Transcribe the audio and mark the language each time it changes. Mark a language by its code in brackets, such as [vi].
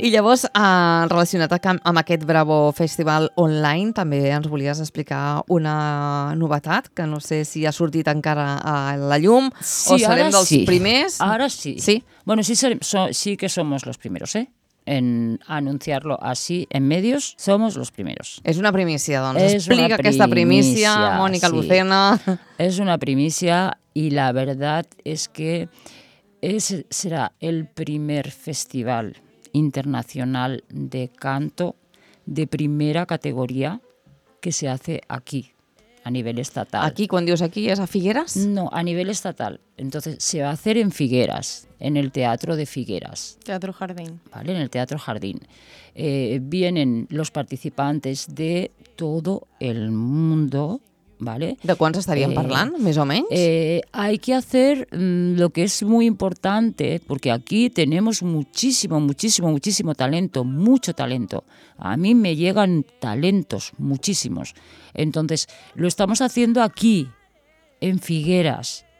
[ca] I llavors, relacionat amb aquest Bravo Festival Online, també ens volies explicar una novetat, que no sé si ha sortit encara a la llum, sí, o serem dels sí. primers. Ara sí. Sí. [es] Bueno, sí que somos los primeros, ¿eh? En anunciarlo así, en medios, somos los primeros. [ca] És una primícia, doncs. Explica aquesta primícia, Mònica sí. Lucena. És una primícia, i [es] la verdad es que será el primer festival internacional de canto de primera categoría que se hace aquí, a nivel estatal. ¿Aquí, cuando dios aquí, es a Figueras? No, a nivel estatal. Entonces, se va a hacer en Figueras, en el Teatro de Figueras. Teatro Jardín. Vale, en el Teatro Jardín. Vienen los participantes de todo el mundo, ¿vale? [ca] ¿De quants estarien parlant, més o menys? [es] Hay que hacer lo que es muy importante, porque aquí tenemos muchísimo, muchísimo, muchísimo talento, mucho talento. A mí me llegan talentos, muchísimos. Entonces, lo estamos haciendo aquí, en Figueras.